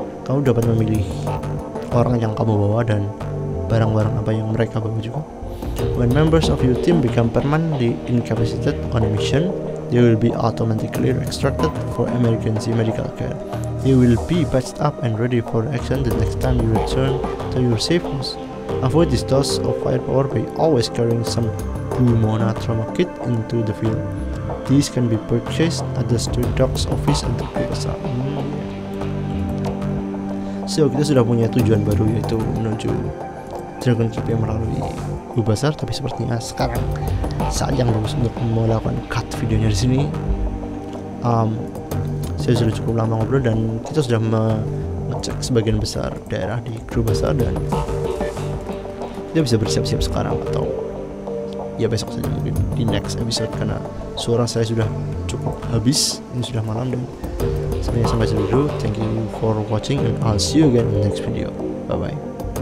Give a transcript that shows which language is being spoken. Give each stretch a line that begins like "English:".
Indonesian: Kamu dapat memilih orang yang kamu bawa dan barang-barang apa yang mereka bawa juga.
English: When members of your team become permanently incapacitated on a mission, they will be automatically extracted for emergency medical care. They will be patched up and ready for action the next time you return to your safe house. Avoid this dose of firepower by always carrying some Pumona trauma kit into the field. These can be purchased at the street dog's office at the plaza.
Indonesian: So kita sudah punya tujuan baru, yaitu menuju Dragon Keep melalui Ubasar. Tapi sepertinya sekarang saat yang bagus untuk melakukan cut videonya di sini. Saya sudah cukup lama ngobrol dan kita sudah mengecek sebagian besar daerah di Ubasar dan dia bisa bersiap-siap sekarang atau ya besok saja mungkin di next episode, karena suara saya sudah cukup habis, ini sudah malam. Dan sampai sini dulu,
English: thank you for watching and I'll see you again in the next video. Bye bye.